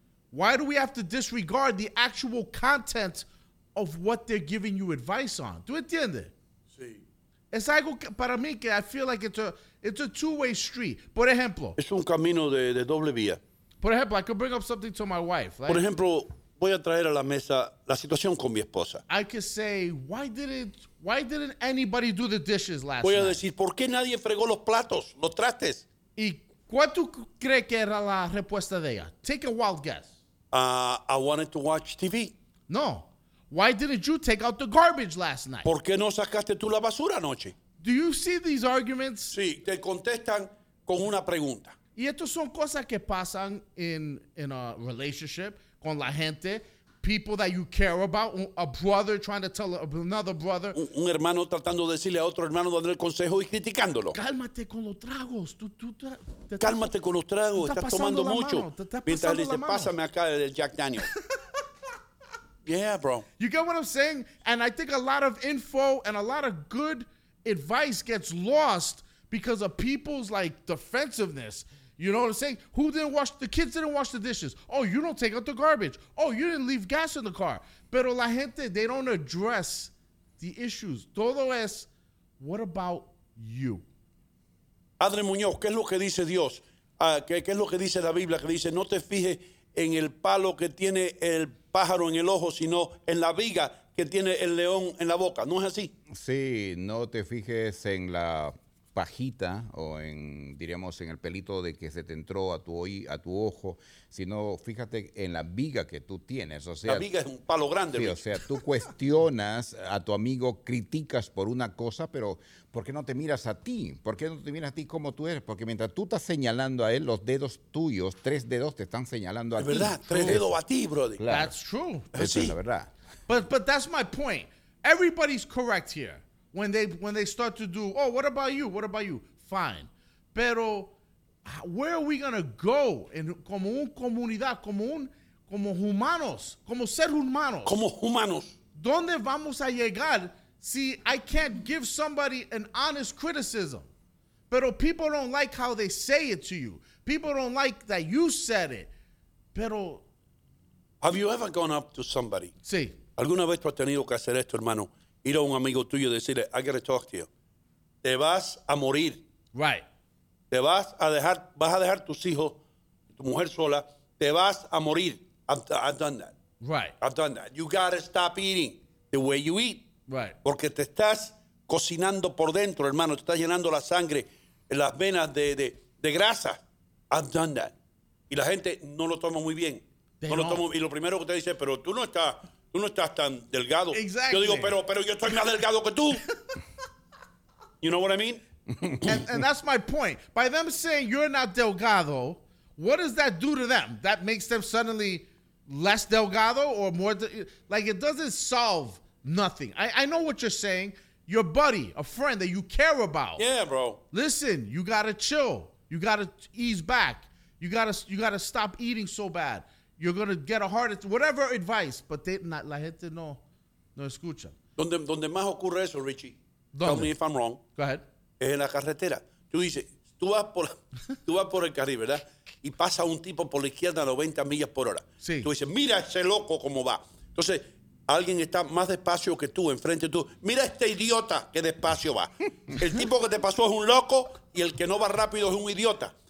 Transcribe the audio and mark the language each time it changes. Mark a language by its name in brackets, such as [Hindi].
[English] Why do we have to disregard the actual content of what they're giving you advice on? [Spanish] ¿Tú entiendes? Sí. Es algo que, para mí que [English] I feel like it's a two-way street. [Spanish] Por ejemplo. Es un camino de doble vía. Por ejemplo, [English] I could bring up something to my wife. Like, [Spanish] por ejemplo, voy a traer a la mesa la situación con mi esposa. [English] I could say, why didn't anybody do the dishes last night? [Spanish] Voy a decir, ¿por qué nadie fregó los platos, los trastes? ¿Y cuál tú crees que era la respuesta de ella? [English] Take a wild guess. I wanted to watch TV. [Spanish] No. [English] Why didn't you take out the garbage last night? [Spanish] ¿Por qué no sacaste tú la basura anoche? [English] Do you see these arguments? [Spanish] Sí, te contestan con una pregunta. Y estas son cosas que pasan [English] in a relationship. [Spanish] Con la gente, [English] people that you care about, a brother trying to tell another brother. [Spanish] Un hermano tratando de decirle a otro hermano dando el consejo y criticándolo. Cálmate con los tragos. Cálmate con los tragos, estás tomando mucho. Mientras le dice, pásame acá el Jack Daniel. [English] Yeah, bro. You get what I'm saying? And I think a lot of info and a lot of good advice gets lost because of people's like defensiveness. You know what I'm saying? Who didn't wash the kids didn't wash the dishes? Oh, you don't take out the garbage. Oh, you didn't leave gas in the car. [Spanish] Pero la gente, [English] they don't address the issues. [Spanish] Todo es, [English] what about you? [Spanish] Padre Muñoz, ¿qué es lo que dice Dios? ¿Qué es lo que dice la Biblia? Que dice, no te fijes en el palo que tiene el pájaro en el ojo, sino en la viga que tiene el león en la boca. ¿No es así? Sí, no te fijes en la... pajita o en, diríamos, en el pelito de que se te entró a tu ojo, sino fíjate en la viga que tú tienes. O sea, la viga es un palo grande. Sí, o sea, tú cuestionas a tu amigo, criticas por una cosa, pero ¿por qué no te miras a ti? ¿Por qué no te miras a ti como tú eres? Porque mientras tú estás señalando a él, los dedos tuyos, tres dedos te están señalando a ti. Es verdad, tres dedos a ti, brother. Claro. [English] That's true. [Spanish] Eso sí. Es la verdad. [English] But that's my point. Everybody's correct here. When they start to do, oh, what about you? What about you? Fine. [Spanish] Pero [English] where are we going to go? [Spanish] En, como un comunidad, como humanos, como ser humanos. Como humanos. ¿Dónde vamos a llegar si [English] I can't give somebody an honest criticism? [Spanish] Pero [English] people don't like how they say it to you. People don't like that you said it. [Spanish] Pero... [English] Have you ever gone up to somebody? [Spanish] Sí. ¿Alguna vez tú has tenido que hacer esto, hermano? Ir a un amigo tuyo y decirle, [English] I gotta talk to you. [Spanish] Te vas a morir. [English] Right. [Spanish] Te vas a dejar, vas a dejar tus hijos, tu mujer sola. Te vas a morir. [English] I've done that. Right. I've done that. You gotta stop eating the way you eat. Right. [Spanish] Porque te estás cocinando por dentro, hermano. Te estás llenando la sangre, las venas de grasa. [English] I've done that. [Spanish] Y la gente no lo toma muy bien. [English] They [Spanish] no [English] don't. [Spanish] Lo toma, y lo primero que te dice, pero tú no estás... Tú no estás tan delgado. [English] Exactly. [Spanish] Yo digo, pero yo estoy más delgado que tú. [English] You know what I mean? And that's my point. By them saying you're not delgado, what does that do to them? That makes them suddenly less delgado or more... Like, it doesn't solve nothing. I know what you're saying. Your buddy, a friend that you care about. Yeah, bro. Listen, you got to chill. You got to ease back. You got to stop eating so bad. you're going to get a heart attack, whatever advice, but they, not, [Spanish] la gente no, no escucha. Donde, donde más ocurre eso, Richie, [English] tell me if I'm wrong, go ahead. [Spanish] Es en la carretera. Tú dices, tú vas por el carril, ¿verdad? Y pasa un tipo por la izquierda a 90 millas por hora. Sí. Tú dices, mira ese loco cómo va. Entonces, alguien está más despacio que tú, enfrente de tú. Mira este idiota que despacio va. El tipo que te pasó es un loco y el que no va rápido es un idiota.